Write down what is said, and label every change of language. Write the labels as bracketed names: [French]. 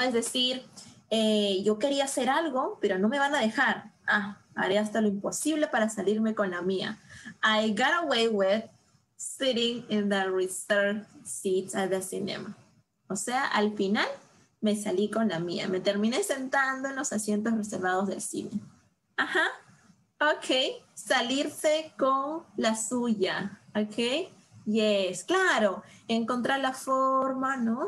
[Spanish] Es decir, yo quería hacer algo, pero no me van a dejar. Ah, haré hasta lo imposible para salirme con la mía. [English] I got away with sitting in the reserved seats at the cinema. [Spanish] O sea, al final me salí con la mía. Me terminé sentando en los asientos reservados del cine. Ajá, ok. Salirse con la suya, ok. Yes, claro, encontrar la forma, ¿no?